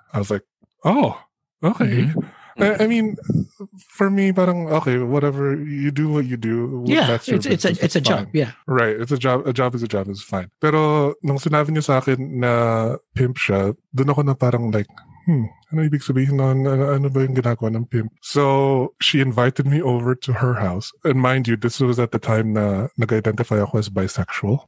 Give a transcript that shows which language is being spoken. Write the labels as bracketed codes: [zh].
[en] I was like, oh, okay. Mm-hmm. I mean, for me, [tl] parang, [en] okay, whatever. You do what you do. Yeah, it's a job, yeah. Right, it's a job. A job is a job. It's fine. [tl] Pero nung sinabi niya sa akin na pimp siya, dun ako na parang like, ano ibig sabihin nun? Ano ba yung ginagawa ng pimp? [en] So, she invited me over to her house. And mind you, this was at the time [tl] na nag-identify ako [en] as bisexual.